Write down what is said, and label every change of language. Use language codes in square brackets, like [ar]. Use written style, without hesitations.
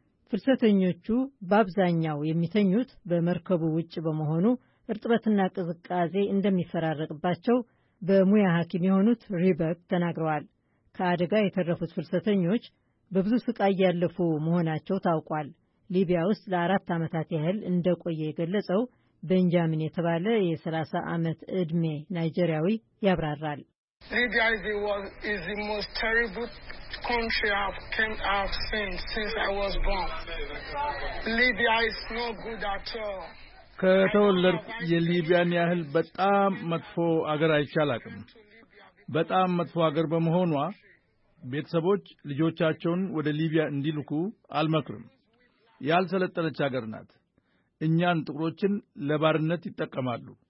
[am] ፍልሰተኞቹ በአብዛኛው የሚተኙት በመርከቡ ውጭ በመሆኑ እርጥበትና ቅዝቃዜ እንደሚፈራረቅባቸው በሙያ ሐኪም የሆኑት ሪበክ ተናግረዋል። ከአደጋ የተረፉት ፍልሰተኞች በብዙ ስቃይ ያለፉ መሆናቸው ታውቋል። ሊቢያ ውስጥ ለአራት ዓመታት ያህል እንደቆየ የገለጸው በንጃሚን የተባለ የ30 ዓመት ዕድሜ ናይጄሪያዊ ያብራራል። [en] Libya is the most terrible country I've came out since I was born. Libya is no good at all. [am] ከተወለድኩ የሊቢያን ያህል በጣም መጥፎ አገር አይቻላቅም። በጣም መጥፎ አገር በመሆኗ ቤተሰቦች ልጆቻቸውን ወደ ሊቢያ እንዲልኩ አልመክርም። ያልሰለጠነች አገር ናት። እኛን ጥቁሮችን ለባርነት ይጠቀማሉ።